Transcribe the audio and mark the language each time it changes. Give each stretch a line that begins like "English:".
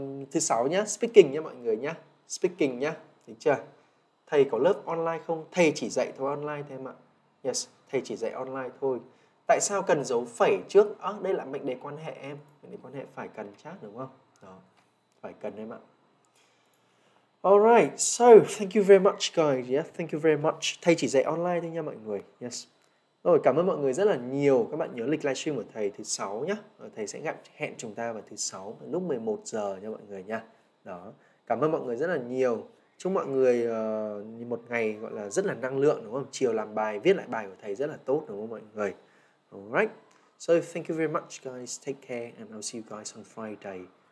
Vietnamese: Thứ sáu nhá, speaking nhá mọi người nhá. Speaking nhá, được chưa? Thầy có lớp online không? Thầy chỉ dạy thôi online thôi em ạ. Yes, thầy chỉ dạy online thôi. Tại sao cần dấu phẩy trước? Đây là mệnh đề quan hệ em. Mệnh đề quan hệ phải cần chắc đúng không? Đó. Phải cần em ạ.
English: Alright, so thank you very much guys. Yeah, thank you very much.
Vietnamese: Thầy chỉ dạy online thôi nha mọi người. Yes. Rồi, cảm ơn mọi người rất là nhiều. Các bạn nhớ lịch livestream của thầy thứ 6 nhá. Thầy sẽ hẹn chúng ta vào thứ 6 lúc 11 giờ nha mọi người nha. Đó. Cảm ơn mọi người rất là nhiều. Chúc mọi người một ngày gọi là rất là năng lượng đúng không? Chiều làm bài, viết lại bài của thầy rất là tốt đúng không mọi người?
English: Alright. So thank you very much guys. Take care and I'll see you guys on Friday.